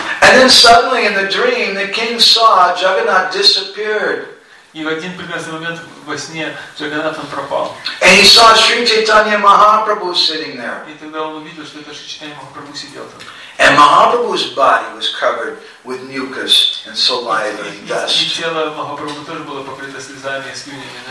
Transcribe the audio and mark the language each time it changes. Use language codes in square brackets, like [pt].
[en] And then suddenly in the dream, the king saw Jagannath disappeared. [ru] И в один прекрасный момент во сне Джаганнат он пропал. [en] And he saw Sri Chaitanya Mahaprabhu sitting there. [ru] И тогда он увидел, что это Шри Чайтанья Махапрабху сидел там. [en] And Mahaprabhu's body was covered with mucus and saliva and dust. [ru] И тело Махапрабху тоже было покрыто слезами и слюнями.